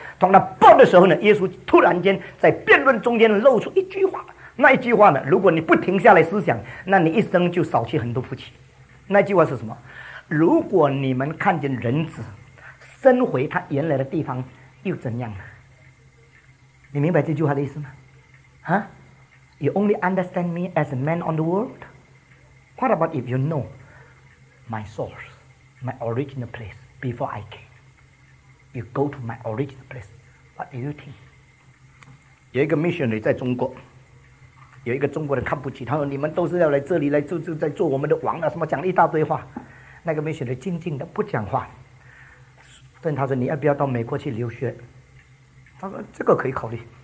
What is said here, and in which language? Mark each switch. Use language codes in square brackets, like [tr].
[zh] 从那驳的时候呢，耶稣突然间在辩论中间露出一句话，那一句话呢，如果你不停下来思想，那你一生就少去很多福气。那句话是什么？如果你们看见人子升回他原来的地方又怎样呢？你明白这句话的意思吗？ [en] You only understand me as a man on the world? What about if you know my source, my original place before I came? You go to my original place. What do you think? [zh] 有一个 missionary 在中国，有一个中国人看不起他，说你们都是要来这里来在做我们的王啊，什么讲一大堆话。那个 missionary 静静的不讲话，但他说你要不要到美国去留学？他说这个可以考虑。